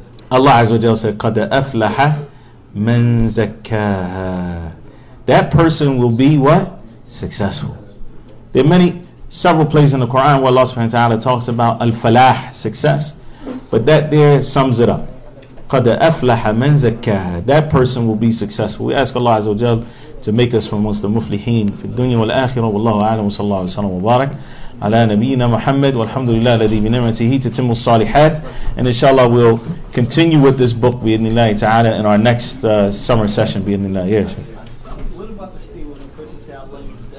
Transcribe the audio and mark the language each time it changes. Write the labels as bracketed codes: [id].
[en] Allah Azza wa Jalla said, [ar] قَدْ أَفْلَحَ مَنْ زَكَّاهَا. [en] That person will be what? Successful. There are several places in the Quran where Allah subhanahu wa ta'ala talks about al-falah, success. But that there sums it up. [ar] قَدْ أَفْلَحَ مَنْ زَكَّاهَا. [en] That person will be successful. We ask Allah Azza wa Jalla to make us from amongst the muflihin [ar] في الدنيا والآخرة والله أعلم وصلى الله عليه وسلم وبارك على نبينا محمد والحمد لله الذي بنعمته تتم الصالحات. [en] And inshallah we'll continue with this book [ar] بإذن الله تعالى [en] in our next summer session [ar] بإذن الله. [en] Yes. What about the state when the person says, "I love you"?